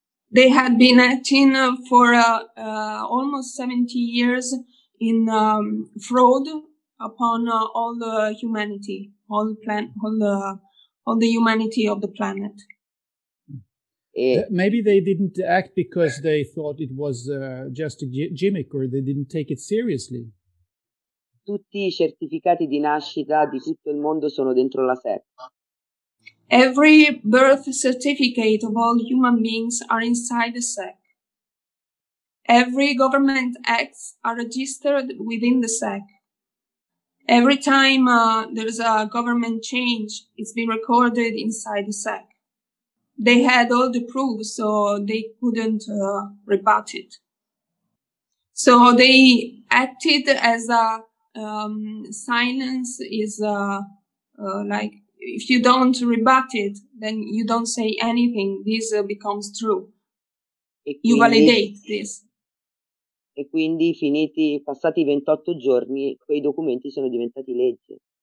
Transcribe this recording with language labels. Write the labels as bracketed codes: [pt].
[en] They had been acting for almost 70 years in fraud upon all the humanity, all the humanity of the planet. Maybe they didn't act because they thought it was just a gimmick, or they didn't take it seriously. [it] Tutti i certificati di nascita di tutto il mondo sono dentro la SEC. [en] Every birth certificate of all human beings are inside the SEC. Every government acts are registered within the SEC. Every time there's a government change, it's been recorded inside the SEC. They had all the proof, so they couldn't rebut it. So they acted as a silence is like, if you don't rebut it, then you don't say anything. This becomes true. [it] Quindi, [en] you validate this. [it] E quindi passati 28 giorni, quei documenti sono diventati legge.